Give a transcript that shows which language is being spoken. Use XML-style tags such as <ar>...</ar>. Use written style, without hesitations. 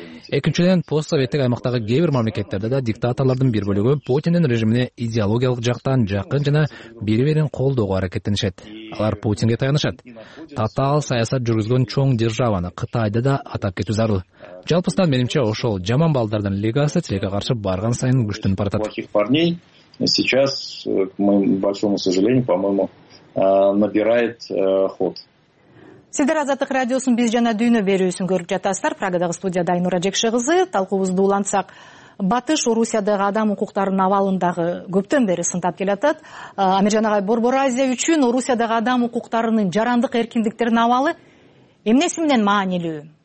<ky>Экинчиден, постсоветтик аймактагы кээ бир мамлекеттерде да диктаторлордун бир бөлүгү Путиндин режимине идеологиялык жактан жакын жана бири бирин колдоого аракеттенишет. Алар Путинге таянышат. Татаал саясат жүргүзгөн чоң державаны Кытайды да атап кетүү зарыл. Жалпысынан менимче ошол жаман балдардын легасы тилекке каршы барган сайын күчтөнүп баратат.</ky> <ru>Плохих парней сейчас, к моему большому сожалению, по-моему, набирает ход.</ru> <ky>Сиздер Азаттык радиосун биз жана дүйнө берүүсүн көрүп жатасыздар. Прагадагы студияда Айнура Жекши кызы. Талкуубузду улантсак, Батыш Орусиядагы адам укуктарынын абалын дагы көптөн бери сынтап келатат. Амиржан агай, Борбор Азия үчүн Орусиядагы адам укуктарынын, жарандык эркиндиктердин абалы эмнеси менен маанилүү?</ky>